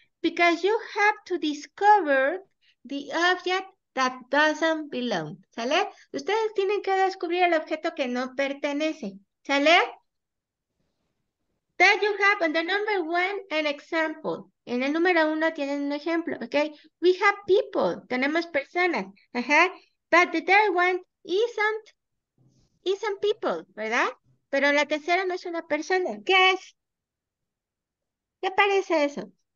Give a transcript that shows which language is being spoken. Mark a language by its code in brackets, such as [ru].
[en] Because you have to discover the object that doesn't belong. [es] ¿Sale? Ustedes tienen que descubrir el objeto que no pertenece. ¿Sale? [en] That you have on the number one an example. [es] En el número uno tienen un ejemplo, ¿ok? [en] We have people, [es] tenemos personas, ajá. [en] But the third one isn't people, [es] ¿verdad? Pero la tercera no es una persona. ¿Qué es? ¿Qué parece eso?